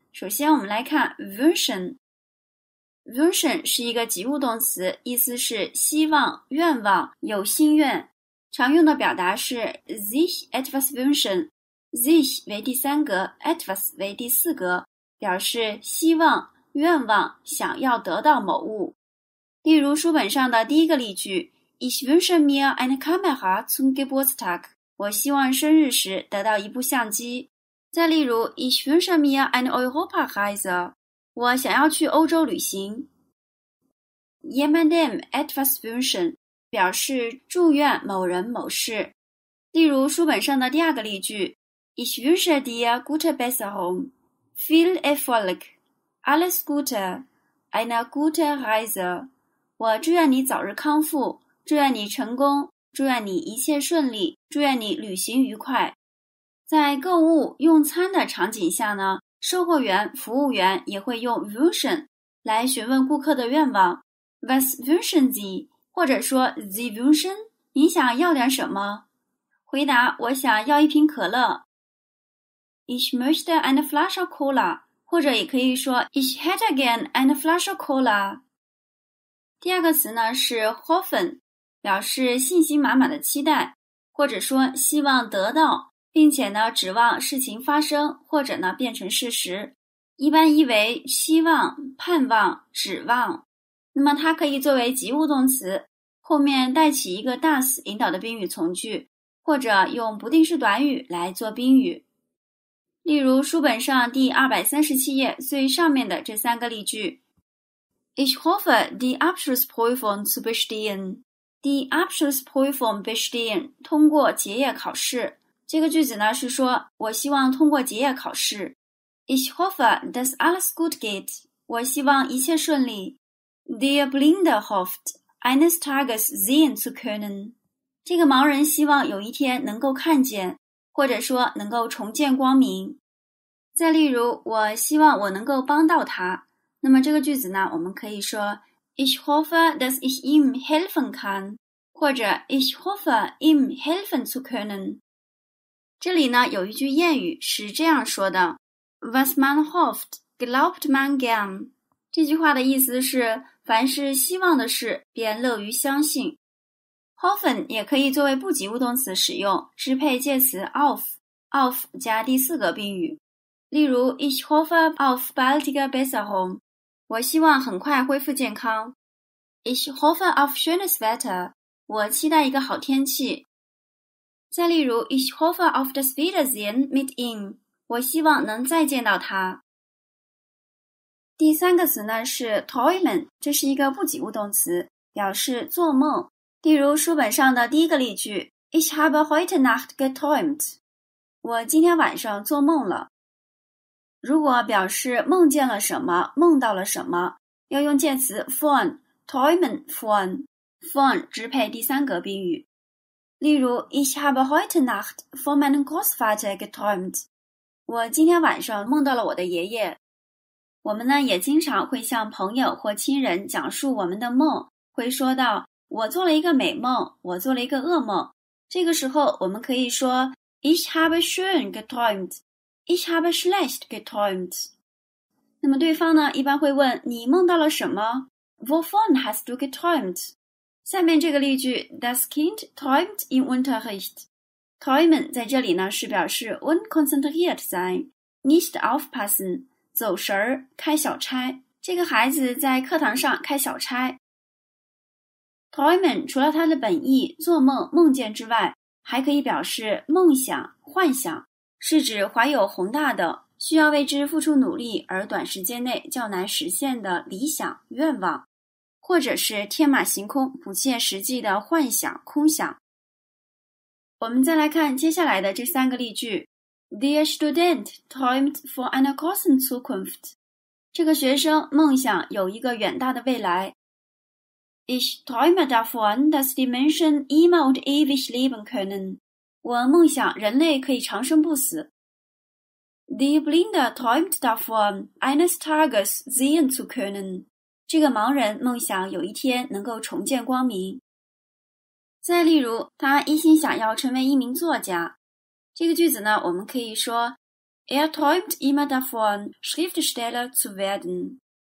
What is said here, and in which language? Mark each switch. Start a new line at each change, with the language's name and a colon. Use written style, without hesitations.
Chinese: 首先我们来看 Wünschen。Wünschen 是一个及物动词，意思是希望、愿望、有心愿，常用的表达是
German: sich etwas wünschen。
Chinese: sich 为第三格， etwas 为第四格，表示希望、愿望、想要得到某物。例如书本上的第一个例句，
German: Ich wünsche mir eine Kamera zum Geburtstag。
Chinese: 我希望生日时得到一部相机。再例如
German: Ich wünsche mir eine Europareise。
Chinese: 我想要去欧洲旅行。
German: Jemandem etwas wünschen
Chinese: 表示祝愿某人某事。例如书本上的第二个例句，
German: Ich wünsche dir gute Besserung, viel Erfolg, alles Gute, eine gute Reise。
Chinese: 我祝愿你早日康复，祝愿你成功，祝愿你一切顺利，祝愿你旅行愉快。在购物用餐的场景下呢，售货员、服务员也会用 wünschen 来询问顾客的愿望。
German: Was wünschen Sie? 或者说 Sie wünschen?
Chinese: 你想要点什么？回答我想要一瓶可乐。
German: Ich möchte eine Flasche Cola, 或者也可以说 Ich hätte gern eine Flasche Cola。
Chinese: 第二个词呢是 Hoffen, 表示信心满满的期待，或者说希望得到，并且呢指望事情发生或者呢变成事实，一般意为期望、盼望、指望。那么它可以作为及物动词，后面带起一个 das 引导的宾语从句，或者用不定式短语来做宾语。例如书本上第237页最上面的这三个例句，
German: Ich hoffe, die Abschlussprüfung zu bestehen. Die Abschlussprüfung bestehen,
Chinese: 通过结业考试。这个句子呢是说我希望通过结业考试。
German: Ich hoffe, dass alles gut geht.
Chinese: 我希望一切顺利。
German: Der Blinde hofft, eines Tages sehen zu können.
Chinese: 这个盲人希望有一天能够看见，或者说能够重见光明。再例如，我希望我能够帮到他。那么这个句子呢，我们可以说
German: Ich hoffe, dass ich ihm helfen kann,
Chinese: 或者
German: Ich hoffe, ihm helfen zu können。
Chinese: 这里呢有一句谚语是这样说的，
German: Was man hofft, glaubt man gern。
Chinese: 这句话的意思是凡是希望的事便乐于相信。 Hoffen 也可以作为不及物动词使用，支配介词 auf 加第四格宾语。
German: 例如 Ich hoffe auf baldige Besserung,
Chinese: 我希望很快恢复健康。
German: Ich hoffe auf schönes Wetter,
Chinese: 我期待一个好天气。再例如
German: Ich hoffe auf das Wiedersehen mit ihm,
Chinese: 我希望能再见到他。第三个词呢是 Träumen, 这是一个不及物动词，表示做梦。例如书本上的第一个例句，
German: Ich habe heute Nacht geträumt,
Chinese: 我今天晚上做梦了。如果表示梦见了什么、梦到了什么，要用介词 von, träumen von, von 支配第三格宾语。例如
German: Ich habe heute Nacht von meinem Großvater geträumt,
Chinese: 我今天晚上梦到了我的爷爷。我们呢也经常会向朋友或亲人讲述我们的梦，会说到我做了一个美梦，我做了一个噩梦。这个时候我们可以说
German: Ich habe schön geträumt,Ich habe schlecht geträumt.
Chinese: 那么对方呢一般会问你梦到了什么？
German: Wovon hast du geträumt?
Chinese: 下面这个例句，
German: Das Kind träumt im Unterricht.
Chinese: Träumen 在这里呢是表示
German: unkonzentriert sein, nicht aufpassen,
Chinese: 走神儿，开小差。这个孩子在课堂上开小差。 Träumen 除了它的本意做梦梦见之外，还可以表示梦想幻想，是指怀有宏大的需要为之付出努力而短时间内较难实现的理想愿望，或者是天马行空不切实际的幻想空想。我们再来看接下来的这三个例句。
German: Der Student träumt von einer großen Zukunft.
Chinese: 这个学生梦想有一个远大的未来。
German: Ich träume davon, dass die Menschen immer und ewig leben können.
Chinese: 我梦想人类可以长生不死。
German: Die Blinde träumt davon, eines Tages sehen zu können.
Chinese: 这个盲人梦想有一天能够重见光明。再例如，他一心想要成为一名作家。这个句子呢，我们可以说
German: Er träumt immer davon, Schriftsteller zu werden.